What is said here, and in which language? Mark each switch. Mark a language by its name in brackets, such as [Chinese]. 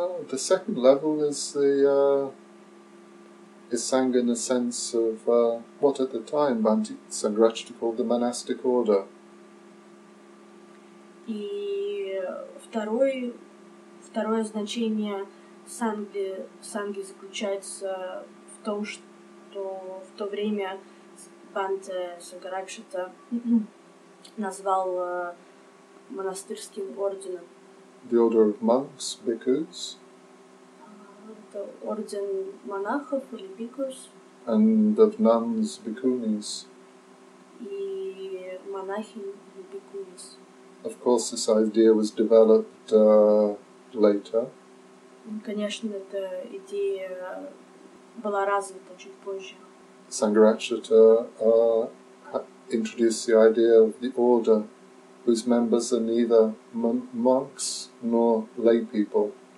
[English] The second level is the sangha in the sense of what at the time Bhante Sangharakshita called the monastic order. [Russian] И второе значение санги заключается в том, что в то время Панте Сангаракшита назвал монастырским орденом. [English] The order of monks, bhikkhus. [Russian] Это орден монахов или bhikkhus. [English] And of nuns, bhikkhunis. [Russian] И монахинь, bhikkhunis. [English] Of course, this idea was developed later. [Russian] Конечно, эта идея была развита чуть позже. [English] Sangharakshita introduced the idea of the order whose members are neither monks nor lay people.